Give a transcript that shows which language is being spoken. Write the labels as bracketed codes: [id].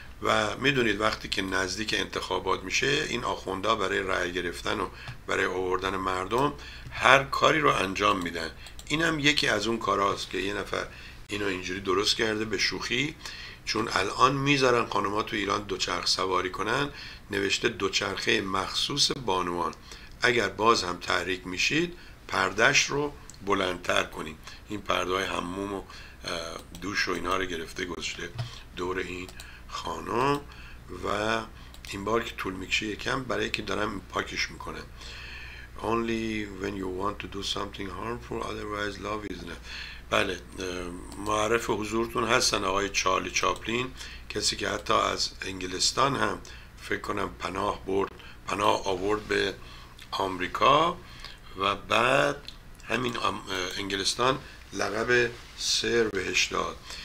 [fa] و میدونید وقتی که نزدیک انتخابات میشه این آخونده برای رای گرفتن و برای آوردن مردم هر کاری رو انجام میدن، اینم یکی از اون کاراست که یه نفر اینو اینجوری درست کرده به شوخی، چون الان میذارن خانوما تو ایران دوچرخ سواری کنن، نوشته دوچرخه مخصوص بانوان، اگر باز هم تحریک میشید پردش رو بلندتر کنیم. این پردهای حموم و دوش و اینا رو گرفته گذاشته دور این خانم و این بار که طول میکشه یکم برای که دارم پاکش میکنم. [en] Only when you want to do something harmful, otherwise love is enough. [fa] بله، معرف حضورتون هستن آقای چارلی چاپلین، کسی که حتی از انگلستان هم فکر کنم پناه آورد به آمریکا و بعد همین انگلستان لقب سر بهش داد.